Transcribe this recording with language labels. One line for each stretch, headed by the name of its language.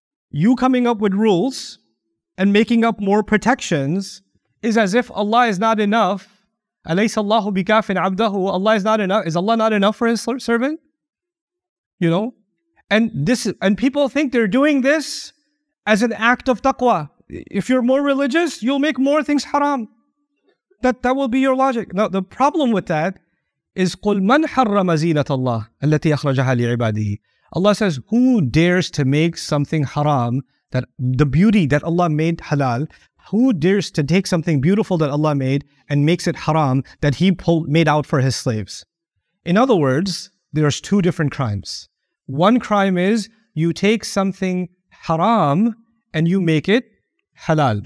English: You coming up with rules and making up more protections is as if Allah is not enough.
Arabic: أَلَيْسَ اللَّهُ بِكَافٍ عَبْدَهُ.
English: Allah is not enough. Is Allah not enough for His servant? You know? And people think they're doing this as an act of taqwa. If you're more religious, you'll make more things haram. That will be your logic. Now, the problem with that is
Arabic: قُلْ مَنْ حَرَّمَ زِينَةَ اللَّهِ الَّتِي أَخْرَجَهَا لِعِبَادِهِ.
English: Allah says, who dares to make something haram, that the beauty that Allah made halal, who dares to take something beautiful that Allah made and makes it haram that He made out for His slaves? In other words, there's two different crimes. One crime is you take something haram and you make it halal.